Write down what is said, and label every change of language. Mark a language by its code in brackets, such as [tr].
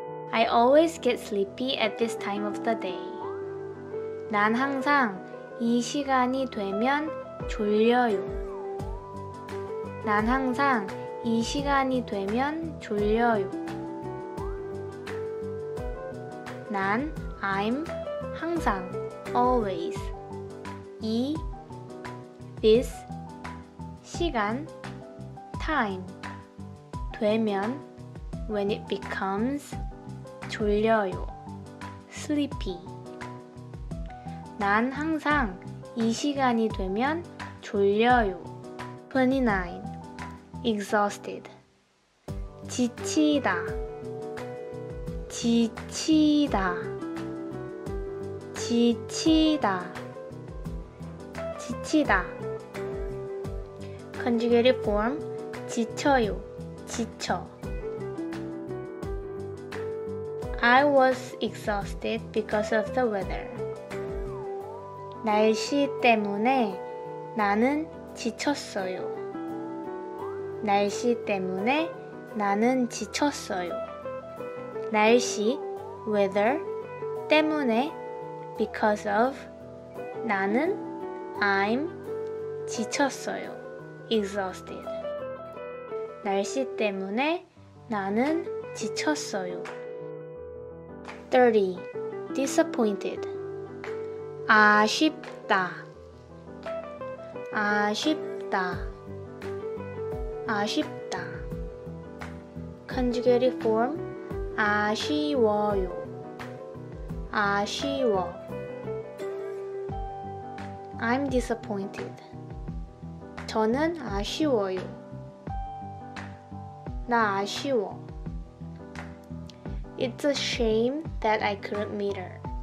[en] I always get sleepy at this time of the day. [ko] 난 항상 이 시간이 되면 졸려요. 난 항상 이 시간이 되면 졸려요. 난 I'm 항상 [en] always [ko] 이 this 시간 time 되면 [en] when it becomes [ko] 졸려요 sleepy 난 항상 이 시간이 되면 졸려요 [en] 29 exhausted [ko] 지치다 지치다 지치다 지치다 [en] conjugated form [ko] 지쳐요 지쳐 [en] I was exhausted because of the weather. [ko] 날씨 때문에 나는 지쳤어요. 날씨 때문에 나는 지쳤어요. 날씨 [en] weather [ko] 때문에 [en] because of [ko] 나는 I'm 지쳤어요. [en] exhausted. [ko] 날씨 때문에 나는 지쳤어요. 30. Disappointed. 아쉽다 아쉽다 아쉽다 [en] Conjugated form [ko] 아쉬워요 아쉬워 [en] I'm disappointed [ko] 저는 아쉬워요 나 아쉬워 [en] It's a shame that I couldn't meet her